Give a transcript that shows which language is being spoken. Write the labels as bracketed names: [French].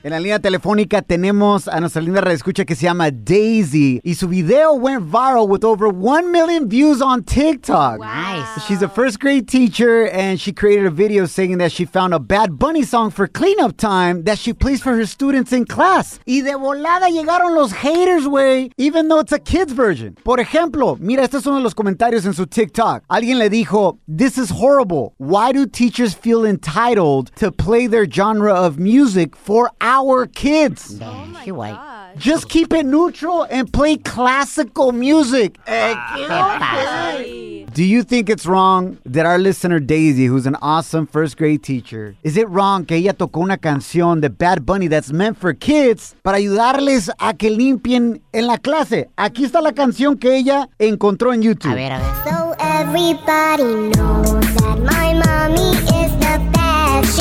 [Spanish] En la línea telefónica tenemos a nuestra linda radioescucha que se llama Daisy. Y su video [English] went viral with over 1 million views on TikTok. Nice. She's a first grade teacher and she created a video saying that she found a Bad Bunny song for cleanup time that she plays for her students in class. [Spanish] Y de volada llegaron los haters, güey, [English] even though it's a kid's version. [Spanish] Por ejemplo, mira, este es uno de los comentarios en su TikTok. Alguien le dijo, [English] this is horrible. Why do teachers feel entitled to play their genre of music for our kids? Oh my God. Just keep it neutral and play classical music. Do you think it's wrong that our listener Daisy, who's an awesome first grade teacher, is it wrong [Spanish] que ella tocó una canción de Bad Bunny [English] that's meant for kids [Spanish] para ayudarles a que limpien en la clase? Aquí está la canción que ella encontró en YouTube. A ver, a ver. [English] So everybody knows that my mommy is the best.